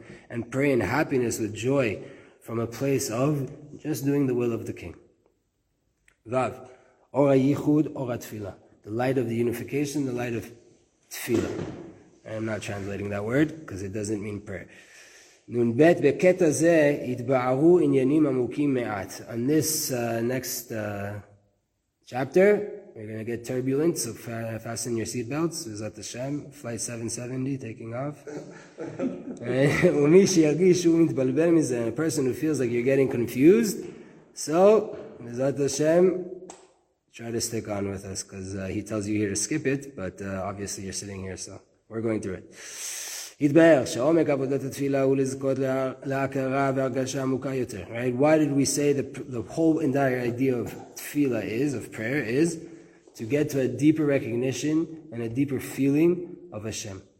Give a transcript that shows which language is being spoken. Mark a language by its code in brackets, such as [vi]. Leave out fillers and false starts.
[en] And pray in happiness with joy from a place of just doing the will of the King. Vav, or a yichud, or a tefillah. The light of the unification, the light of tefillah. I'm not translating that word because it doesn't mean prayer. [he] נון בית בקטע זה התבערו עניינים עמוקים מעט. [en] On this next chapter, we're going to get turbulent, so fasten your seatbelts. Is that the Shem? Flight 770 taking off. [he] ומי שירגיש שהוא מתבלבל מזה, [en] a person who feels like you're getting confused. So, is that the Shem? Try to stick on with us, because he tells you here to skip it, but obviously you're sitting here, so we're going through it. [he] התבהר שעומק עבודת התפילה הוא לזכות להכרה והרגשה עמוקה יותר. [en] Right? Why did we say the whole entire idea of tefillah is, of prayer, is to get to a deeper recognition and a deeper feeling of Hashem.